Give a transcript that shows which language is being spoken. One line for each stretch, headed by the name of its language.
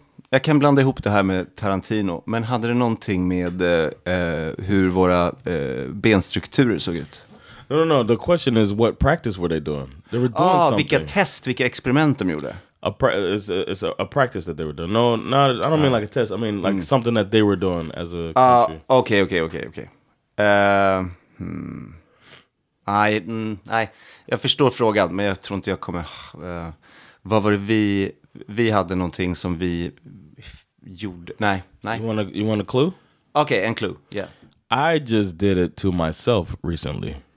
Swedish: Jag kan blanda ihop det här med Tarantino, men hade det någonting med hur våra benstrukturer såg ut?
English: No, no, no. The question is, what practice were they doing? They were doing something.
Swedish: Vilka test, vilka experiment de gjorde.
English: It's a practice that they were doing. No, not, I don't mean like a test. I mean like something that they were doing as a country. Okay.
Swedish: Jag förstår frågan, men jag tror inte jag kommer... vad var det vi hade någonting som vi gjorde? Nej.
English: You want a clue? Okay, en clue. Yeah. I just did it to myself recently.